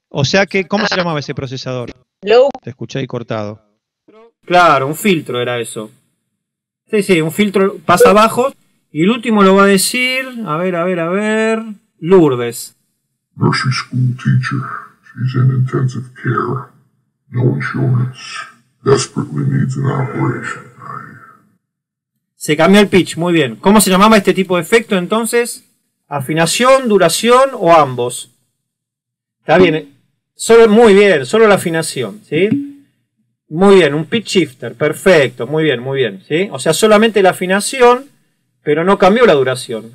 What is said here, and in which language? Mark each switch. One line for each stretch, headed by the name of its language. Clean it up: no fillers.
Spanish: O sea que, ¿cómo se llamaba ese procesador? Te escuché ahí cortado. Claro, un filtro era eso. Sí, sí, un filtro pasa abajo. Y el último lo va a decir. A ver. Lourdes.
English: Nursery school teacher. She's in intensive care. No insurance. Desperately needs an operation.
Spanish: Se cambió el pitch, muy bien. ¿Cómo se llamaba este tipo de efecto entonces? ¿Afinación, duración o ambos? Está bien. Solo la afinación, ¿sí? Muy bien, un pitch shifter, perfecto, muy bien, ¿sí? O sea, solamente la afinación, pero no cambió la duración.